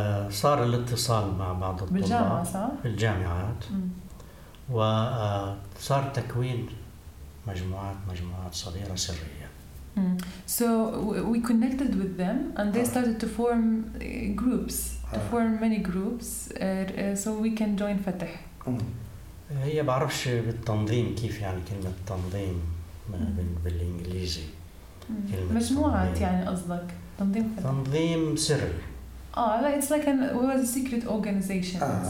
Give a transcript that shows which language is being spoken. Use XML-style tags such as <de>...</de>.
<ar>صار الاتصال مع بعض الطلاب بالجامعة الجامعات وصار تكوين مجموعات صغيرة سرية.</ar> <en>So we connected with them and they started to form groups, to form many groups so we can join Fatah.</en> <ar>هي بعرفش بالتنظيم كيف يعني كلمة تنظيم بالإنجليزي مجموعات يعني أصدق تنظيم فتح. تنظيم سري</ar> <en>like it's like it was a secret organization</en>